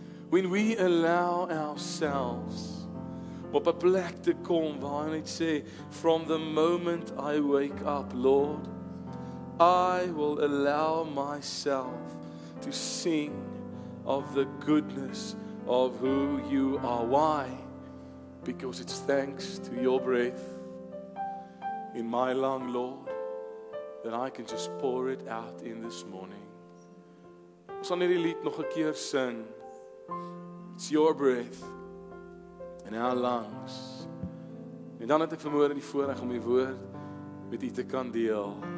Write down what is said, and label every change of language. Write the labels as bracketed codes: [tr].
[en] When we allow ourselves [af] op 'n plek te kom waar hy net sê, [en] from the moment I wake up, Lord, I will allow myself to sing of the goodness of who you are. Why? Because it's thanks to your breath in my lung, Lord, that I can just pour it out in this morning. [af] Ons gaan hierdie lied nog 'n keer sing. [en] It's your breath in our lungs. [af] En dan het ek vanmôre die voorreg om die woord met u te kan deel.